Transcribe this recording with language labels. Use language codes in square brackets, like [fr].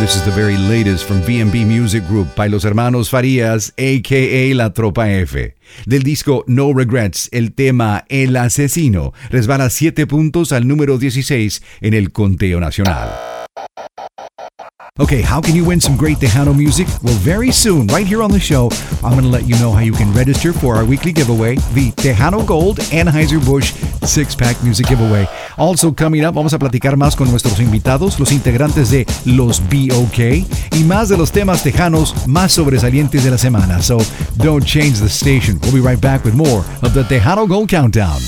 [en] This is the very latest from B&B Music Group by Los Hermanos Farías, a.k.a. La Tropa F. [es] Del disco No Regrets, el tema El Asesino resbala 7 puntos al número 16 en el conteo nacional. [en] Okay, how can you win some great Tejano music? Well, very soon, right here on the show, I'm going to let you know how you can register for our weekly giveaway, the Tejano Gold Anheuser-Busch 6-Pack Music Giveaway. Also coming up, [es] vamos a platicar más con nuestros invitados, los integrantes de Los B.O.K., y más de los temas tejanos más sobresalientes de la semana. [en] So, don't change the station. We'll be right back with more of the Tejano Gold Countdown.